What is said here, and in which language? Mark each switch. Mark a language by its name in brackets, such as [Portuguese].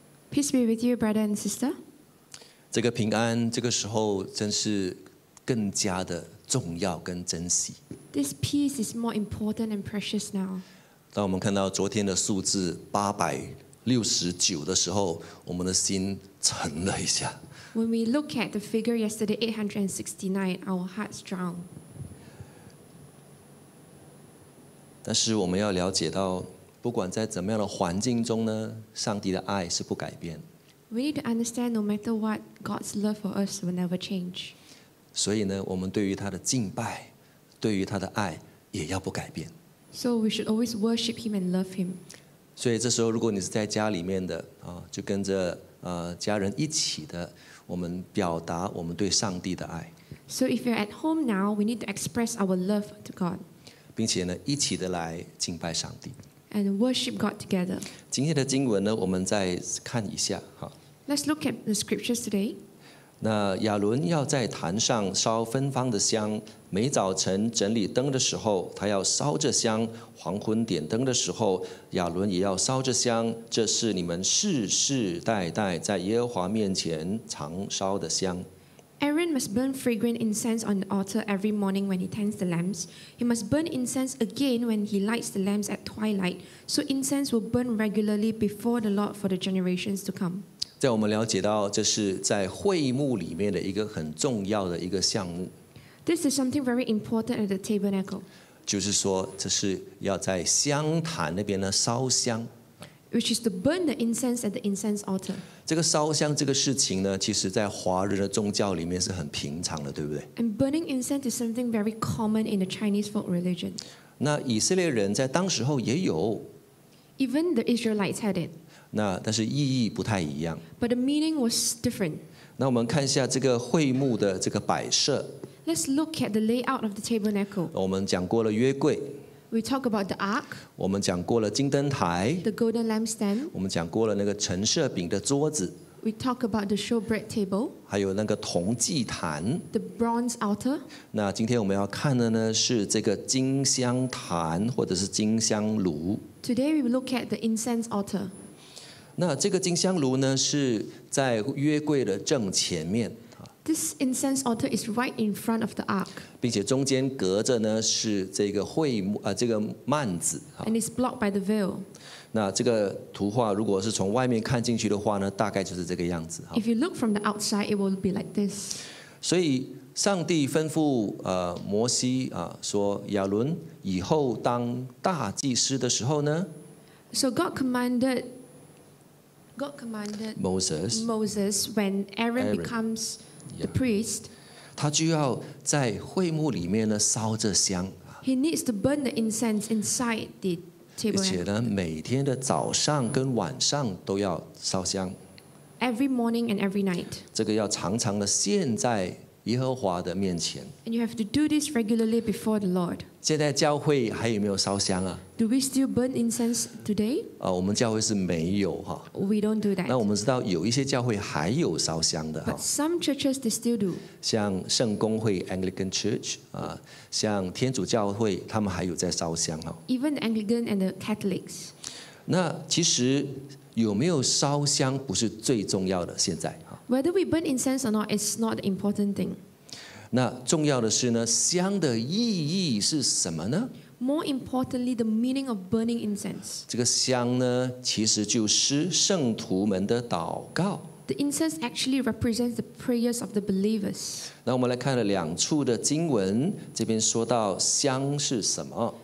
[English] Peace be with you, brother and sister. [Chinese] 这个平安，这个时候真是更加的重要跟珍惜。 [English] This peace is more important and precious now. [Chinese] 当我们看到昨天的数字869的时候，我们的心沉了一下。 [English] When we look at the figure yesterday, 869, our hearts drown. [Chinese] 但是我们要了解到，不管在怎么样的环境中呢，上帝的爱是不改变。 [English] We need to understand, no matter what, God's love for us will never change. [Chinese] 所以呢，我们对于他的敬拜，对于他的爱，也要不改变。 [English] So we should always worship Him and love Him. [Chinese] 所以这时候，如果你是在家里面的就跟着家人一起的。我们表达我们对上帝的爱。 [English] So if you're at home now, we need to express our love to God. [Chinese] 并且呢，一起的来敬拜上帝。 [English] And worship God together. [Chinese] 今天的经文呢，我们再看一下哈。 [English] Let's look at the scriptures today. [Chinese] 那亚伦要在坛上烧芬芳的香，每早晨整理灯的时候，他要烧着香；黄昏点灯的时候，亚伦也要烧着香。这是你们世世代代在耶和华面前常烧的香。 [English] Aaron must burn fragrant incense on the altar every morning when he tends the lamps. He must burn incense again when he lights the lamps at twilight. So incense will burn regularly before the Lord for the generations to come. [Chinese] 在我们了解到，这是在会幕里面的一个很重要的一个项目。 [English] This is something very important at the tabernacle. [Chinese] 就是说，这是要在香坛那边呢烧香。 [English] Which is to burn the incense at the incense altar. [Chinese] 这个烧香这个事情呢，其实在华人的宗教里面是很平常的，对不对 [English] ？And burning incense is something very common in the Chinese folk religion. [Chinese] 那以色列人在当时候也有。 [English] Even the Israelites had it. [Chinese] 那但是意义不太一样。 [English] But the meaning was different. [Chinese] 那我们看一下这个会幕的这个摆设。 [English] Let's look at the layout of the tabernacle. [Chinese] 我们讲过了约柜。 [English] We talk about the ark. [Chinese] 我们讲过了金灯台。 [English] The golden lampstand. [Chinese] 我们讲过了那个陈设饼的桌子。 [English] We talk about the showbread table. [Chinese] 还有那个铜祭坛。 [English] The bronze altar. [Chinese] 那今天我们要看的呢是这个金香坛或者是金香炉。 [English] Today we will look at the incense altar. [Chinese] 那这个金香炉呢是在约柜的正前面。 [English] This incense altar is right in front of the ark. [Chinese] 并且中间隔着呢是这个会这个幔子。 [English] And it's blocked by the veil. [Chinese] 那这个图画如果是从外面看进去的话呢，大概就是这个样子。 [English] If you look from the outside, it will be like this. [Chinese] 所以上帝吩咐摩西说亚伦以后当大祭司的时候呢。 [English] So God commanded Moses when Aaron becomes the priest. [Chinese] 他就要在会幕里面呢烧着香。 [English] He needs to burn the incense inside the table. [Chinese] 而且呢，每天的早上跟晚上都要烧香。 [English] Every morning and every night. [Chinese] 这个要常常的献在耶和华的面前。 [English] And you have to do this regularly before the Lord. [Chinese] 现在教会还有没有烧香啊？ [English] Do we still burn incense today? [Chinese] 我们教会是没有哈。 [English] We don't do that. [Chinese] 那我们知道有一些教会还有烧香的哈。 [English] But some churches they still do. [Chinese] 像圣公会 Anglican Church 像天主教会他们还有在烧香哈。 [English] Even the Anglican and the Catholics. [Chinese] 那其实有没有烧香不是最重要的现在哈。 [English] Whether we burn incense or not, it's not the important thing. [Chinese] 那重要的是呢，香的意义是什么呢？ [English] More importantly, the meaning of burning incense. [Chinese] 这个香呢，其实就是圣徒们的祷告。 [English] The incense actually represents the prayers of the believers. [Chinese] 那我们来看了两处的经文，这边说到香是什么。